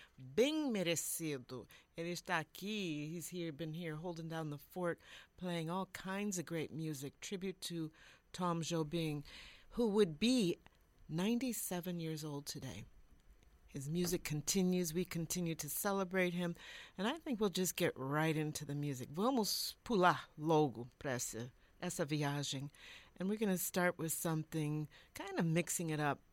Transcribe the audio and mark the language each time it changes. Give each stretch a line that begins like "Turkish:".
Portuguese: Bem merecido. Ele está aqui.
English: He's here, been here holding down the fort, playing all kinds of great music. Tribute to Tom Jobim, who would be 97 years old today. His music continues. We continue to celebrate him. And I think we'll just get right into the music.
Portuguese: Vamos pular logo para essa viagem.
English: And we're going to start with something, kind of mixing it up.